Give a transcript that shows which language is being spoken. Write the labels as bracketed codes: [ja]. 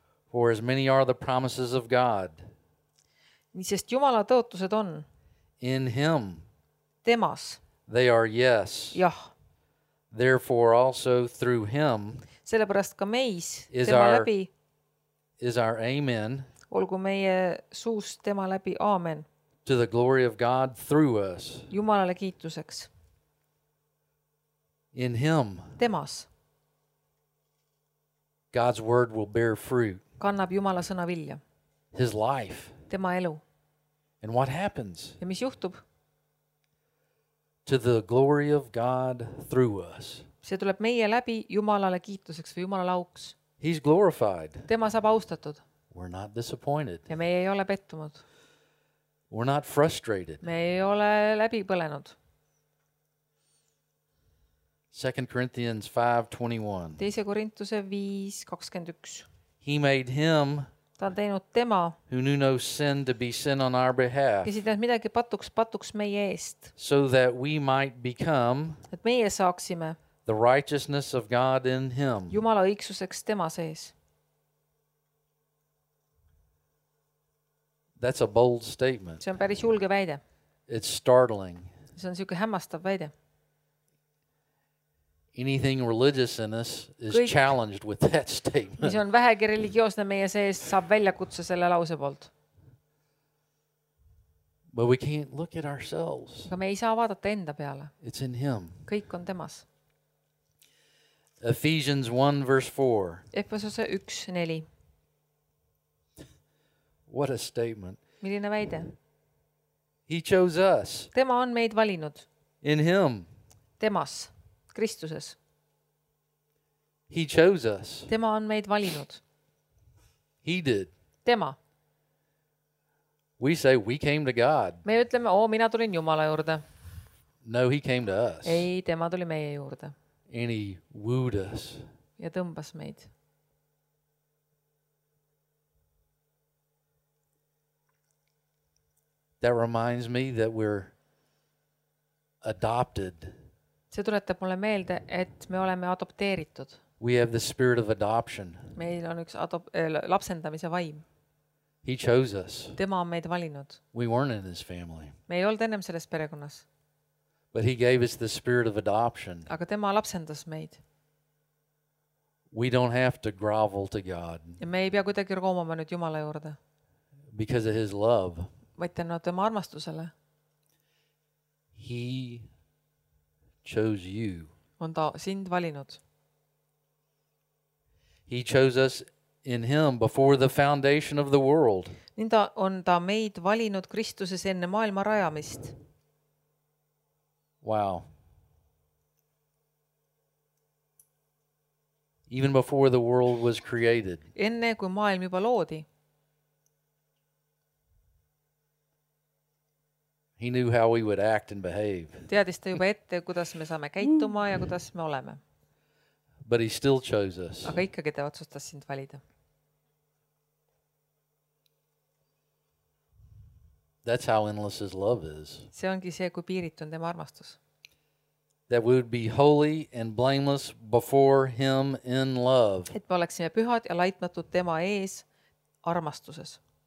[en] For as many are the promises of God. [et] Nii sest Jumala tõotused on. [en] In him. [et] Temas. [en] They are yes. [et] Jah. [en] Therefore also through him. [et] Sellepärast ka meis, tema läbi. [en] Is our amen. [et] Olgu meie suus tema läbi aamen. [en] To the glory of God through us. [et] Jumalale kiituseks. [en] In him. [et] Temas. [en] God's word will bear fruit. [et] Kannab Jumala sõna vilja. [en] His life. [et] Tema elu. [en] And what happens? [et] Ja mis juhtub? [en] To the glory of God through us. [et] See tuleb meie läbi Jumalale kiituseks või Jumala lauks. [en] He's glorified. [et] Tema saab austatud. [en] We're not disappointed. [et] Ja meie ei ole pettumud. [en] We're not frustrated. [et] Me ei ole läbi põlenud. [en] 2 Corinthians 5:21. [et] Teise Korintuse 5:21. [en] He made him, [et] ta on teinud tema, [en] who knew no sin to be sin on our behalf. [et] Kes ei teinud midagi patuks meie eest. [en] So that we might become, [et] et meie saaksime, [en] the righteousness of God in him. [et] Jumala õigsuseks tema sees. [en] That's a bold statement. [et] See on päris julge väide. [en] It's startling. [et] See on siuke hämmastav väide. [en] Anything religious in us is kõik, challenged with that statement. [et] Mis on vähegi religioosne meie sees, saab välja kutsa selle lause poolt. [en] But we can't look at ourselves. [et] Aga me ei saa vaadata enda peale. [en] It's in him. [et] Kõik on temas. [en] Ephesians 1 verse 4. [et] Efesose 1:4. [en] What a statement. [et] Milline väide. [en] He chose us. [et] Tema on meid valinud. [en] In him. [et] Temas. Kristuses. [en] He chose us. [et] Tema on meid valinud. [en] He did. [et] Tema. [en] We say we came to God. [et] Me ütleme, oo, mina tulin Jumala juurde. [en] No, he came to us. [et] Ei, tema tuli meie juurde. [en] And he wooed us. [et] Ja tõmbas meid. [en] That reminds me that we're adopted. [et] See tuletab mulle meelde, et me oleme adopteeritud. [en] We have the spirit of adoption. [et] Meil on üks lapsendamise vaim. [en] He chose us. [et] Tema on meid valinud. [en] We weren't in his family. [et] Me ei olnud ennem selles perekonnas. [en] But he gave us the spirit of adoption. [et] Aga tema lapsendas meid. [en] We don't have to grovel to God. [et] Ja me ei pea kuidagi roomama nüüd Jumala juurde. [en] Because of his love. [et] Vaid tänu tema armastusele. [en] He chose you. [et] On ta sind valinud. [en] He chose us in him before the foundation of the world. [et] Nii ta on ta meid valinud Kristuses enne maailma rajamist. [en] Wow. Even before the world was created. [et] Enne kui maailm juba loodi. [en] He knew how we would act and behave. [et] Teadis ta juba ette, kuidas me saame käituma ja kuidas me oleme. [en] But he still chose us. [et] Aga ikkagi ta otsustas sind valida. [en] That's how endless his love is. [et] See ongi see, kui piiritu on tema armastus. [en] That we would be holy and blameless before him in love. [et] Et me oleksime pühad ja laitmatud tema ees armastuses.